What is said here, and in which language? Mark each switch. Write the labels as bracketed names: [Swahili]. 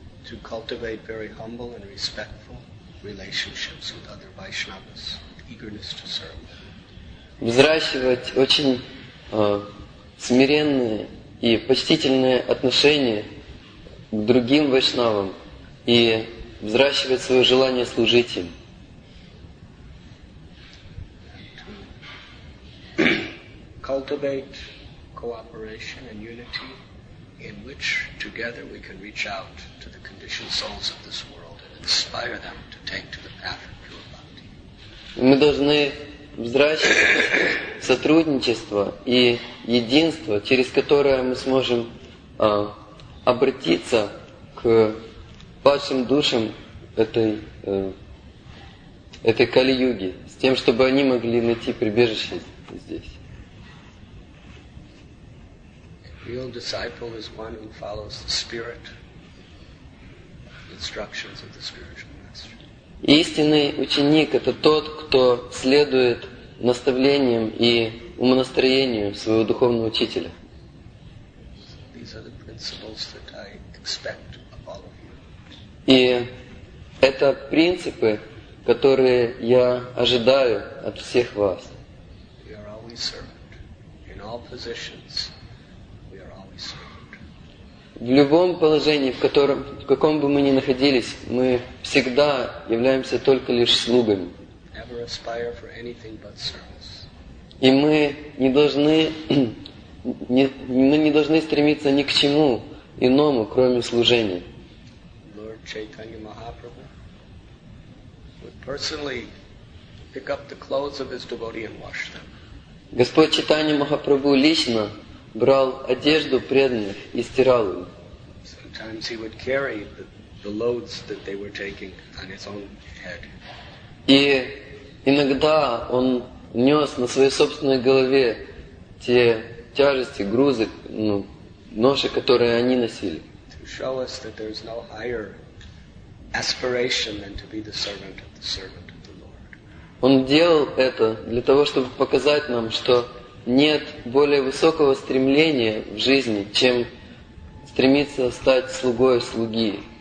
[English] To cultivate very humble and respectful relationships with other Vaishnavas, eagerness to serve. [Russian] Взращивать очень смиренные и почтительные отношения к другим вайшнавам и взращивать свое желание служить им. [English] Cultivate cooperation and unity in which together we can reach out to the conditioned souls of this world and inspire them to take to the path of pure bhakti. [Russian] Мы должны взращивать сотрудничество и единство, через которое мы сможем обратиться к вашим душам этой Кали-Юги, с тем, чтобы они могли найти прибежище здесь. [English] Real disciple is one who follows the spirit, instructions of the spiritual master. [Russian] Истинный ученик — это тот, кто следует наставлениям и умонастроению своего духовного учителя. [English] These are the principles that I expect. [Russian] И это принципы, которые я ожидаю от всех вас. [English] We are always servant. In all positions, we are always servant. [Russian] В любом положении, в каком бы мы ни находились, мы всегда являемся только лишь слугами. [English] Never aspire for anything but service. [Russian] И мы не должны стремиться ни к чему иному, кроме служения. [English] Chaitanya Mahaprabhu would personally pick up the clothes of his devotee and wash them. [Russian] Господь Чайтанья Махапрабху лично брал одежду преданных и стирал ее. [English] Sometimes he would carry the loads that they were taking on his own head. [Russian] И иногда он нес на своей собственной голове те тяжести, грузы, ноши, которые они носили. [English] To show us that there is no higher aspiration than to be the servant of the servant of the Lord. [Russian] Он делал это для того, чтобы показать нам, что нет более высокого стремления в жизни, чем стремиться стать слугой слуги.